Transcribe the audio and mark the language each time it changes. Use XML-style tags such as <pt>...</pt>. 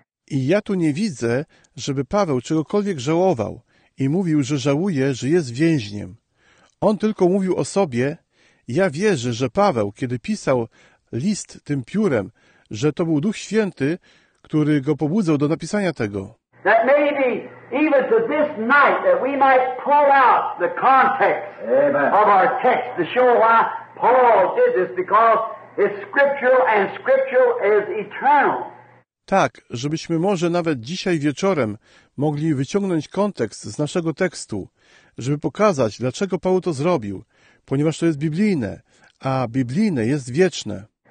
<pl>I ja tu nie widzę, żeby Paweł czegokolwiek żałował i mówił, że żałuje, że jest więźniem. On tylko mówił o sobie. Ja wierzę, że Paweł, kiedy pisał list tym piórem, że to był Duch Święty, który go pobudzał do napisania tego.</pl> <en>That maybe even to this night that we might pull out the context. Amen. Of our text to show why Paul did this, because it's scriptural and scriptural is eternal.</en> <pl>Tak, żebyśmy może nawet dzisiaj wieczorem mogli wyciągnąć kontekst z naszego tekstu, żeby pokazać, dlaczego Paweł to zrobił, ponieważ to jest biblijne, a biblijne jest wieczne.</pl>